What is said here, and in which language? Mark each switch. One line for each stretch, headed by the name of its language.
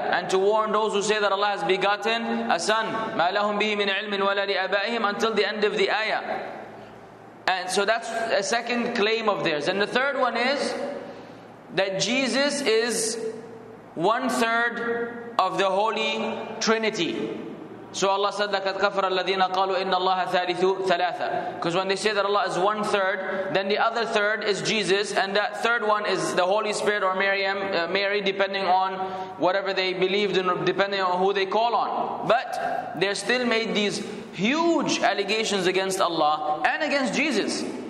English: And to warn those who say that Allah has begotten a son.
Arabic: مَا لَهُمْ بِهِ مِنْ عِلْمٍ وَلَا لِأَبَائِهِمْ.
English: Until the end of the ayah. And so that's a second claim of theirs. And the third one is that Jesus is one third of the Holy Trinity. So Allah said,
Arabic: لَكَدْ كَفَرَ الَّذِينَ قَالُوا إِنَّ اللَّهَ ثَالِثُ ثَلَاثَ.
English: Because when they say that Allah is one third, then the other third is Jesus, and that third one is the Holy Spirit or Mary, depending on whatever they believed in, depending on who they call on. But they still made these huge allegations against Allah and against Jesus.